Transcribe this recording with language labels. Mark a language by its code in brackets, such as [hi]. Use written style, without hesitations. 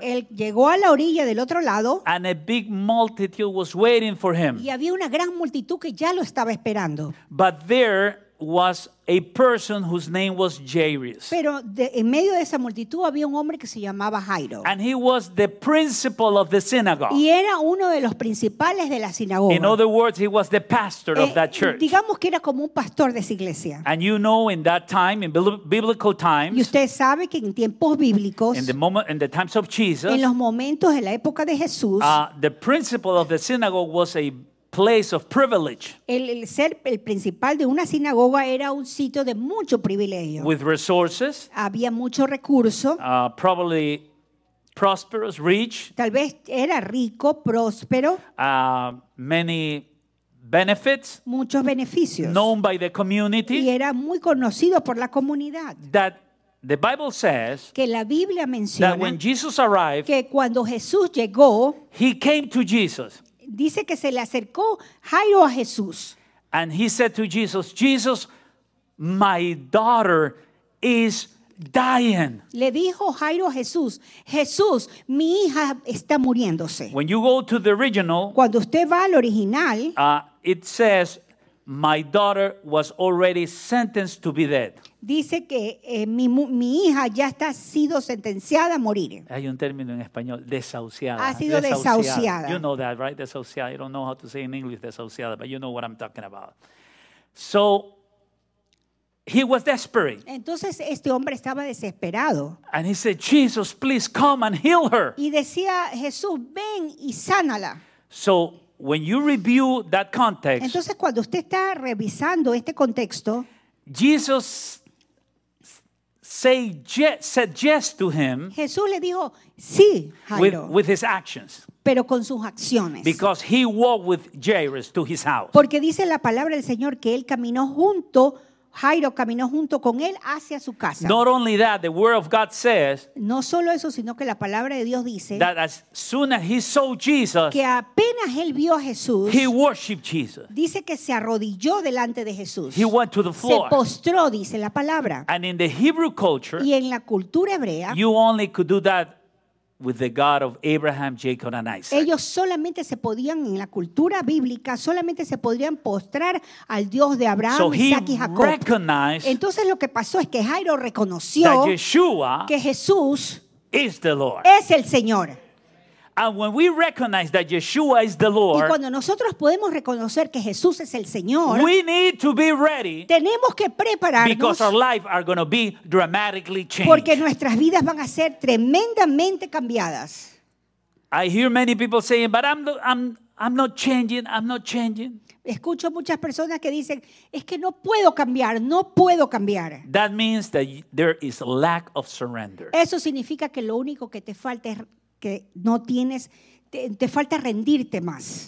[es] Él llegó a la orilla del otro lado. [en] And a big multitude was waiting for him. [es] Y había una gran multitud que ya lo estaba esperando. [en] But there was a person whose name was Jairus. [es] Pero en medio de esa multitud había un hombre que se llamaba Jairo. [en] And he was the principal of the synagogue. [es] Y era uno de los principales de la sinagoga. [en] In other words, he was the pastor of that church. [es] Digamos que era como un pastor de esa iglesia. [en] And you know, in that time, in biblical times. [es] Y usted sabe que en tiempos bíblicos. [en] In the times of Jesus. [es] En los momentos de la época de Jesús. [en] The principal of the synagogue was a place of privilege. [es] El ser el principal de una sinagoga era un sitio de mucho privilegio. [en] With resources. [es] Había mucho recurso. [en] Probably prosperous, rich. [es] Tal vez era rico, próspero. [en] Many benefits. [es] Muchos beneficios. [en] Known by the community. [es] Y era muy conocido por la comunidad. [en] That the Bible says [es] que la Biblia menciona [en] that when Jesus arrived, [es] que cuando Jesús llegó, [en] he came to Jesus. [es] Dice que se le acercó Jairo a Jesús. [en] And he said to Jesus, Jesus, my daughter is dying. [es] Le dijo Jairo a Jesús, Jesús, mi hija está muriéndose. [en] When you go to the original, [es] cuando usted va al original, [en] it says, my daughter was already sentenced to be dead. [es] Dice que mi hija ya está sido sentenciada a morir. Hay un término en español, desahuciada. Ha sido desahuciada. [en] You know that, right? Desahuciada. You don't know how to say in English desahuciada, but you know what I'm talking about. So he was desperate. [es] Entonces este hombre estaba desesperado. [en] And he said, Jesus, please come and heal her. [es] Y decía, Jesús, ven y sánala. [en] So when you review that context, [es] entonces cuando usted está revisando este contexto, [en] Jesus suggests to him, [es] Jesús le dijo, sí, Jairo, [en] with his actions, [es] pero con sus acciones, [en] because he walked with Jairus to his house, [es] porque dice la palabra del Señor que él caminó junto, Jairo caminó junto con él hacia su casa. [en] Not only that, the word of God says, [es] no solo eso, sino que la palabra de Dios dice [en] that as soon as he saw Jesus, [es] que apenas él vio a Jesús, [en] he worshiped Jesus. [es] Dice que se arrodilló delante de Jesús. [en] He went to the floor. [es] Se postró, dice la palabra. [en] And in the Hebrew culture, [es] y en la cultura hebrea, [en] you only could do that with the God of Abraham, Jacob, and Isaac. [es] Ellos solamente se podían, en la cultura bíblica, solamente se podían postrar al Dios de Abraham, Isaac y Jacob. [en] Recognized. [es] Entonces lo que pasó es que Jairo reconoció [en] that Yeshua [es] que Jesús [en] is the Lord. [es] Es el Señor. [en] And when we recognize that Yeshua is the Lord, [es] y cuando nosotros podemos reconocer que Jesús es el Señor, [en] we need to be ready, [es] tenemos que prepararnos, [en] because our life are going to be dramatically changed, [es] porque nuestras vidas van a ser tremendamente cambiadas. [en] I hear many people saying, but I'm not changing. [es] Escucho muchas personas que dicen, es que no puedo cambiar, no puedo cambiar. [en] That means that there is a lack of surrender. [es] Eso significa que lo único que te falta es que no tienes, te falta rendirte más.